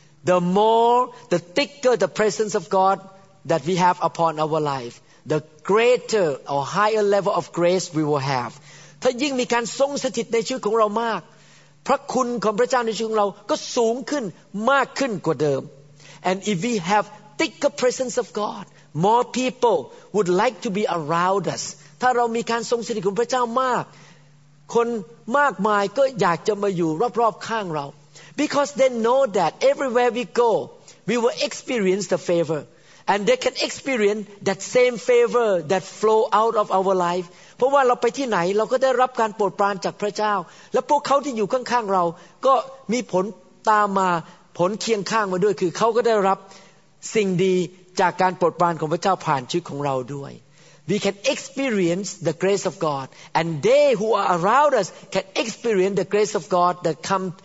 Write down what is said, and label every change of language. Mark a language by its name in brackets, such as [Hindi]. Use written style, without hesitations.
[English] The more the thicker the presence of God that we have upon our life the greater or higher level of grace we will have [Thai] ถ้ายิ่งมีการทรงสถิตในชีวิตของเรามากพระคุณของพระเจ้าในชีวิตของเราก็สูงขึ้นมากขึ้นกว่าเดิม [English] And if we have thicker presence of GodMore people would like to be around us. [Thai] ถ้าเรามีการทรงสถิตของพระเจ้ามากคนมากมายก็อยากจะมาอยู่รอบๆข้างเรา [English] Because they know that everywhere we go, we will experience the favor. And they can experience that same favor that flow out of our life. [Thai] เพราะว่าเราไปที่ไหนเราก็ได้รับการโปรดปรานจากพระเจ้าและพวกเขาที่อยู่ข้างๆเราก็มีผล ตามมาผลเคียงข้างมาด้วยคือเขาก็ได้รับสิ่งดีจากการโปรดปรานของพระเจ้าผ่านชีวิตของเราด้วย [English] We can experience the grace of God and they who are around us can experience the grace of God that come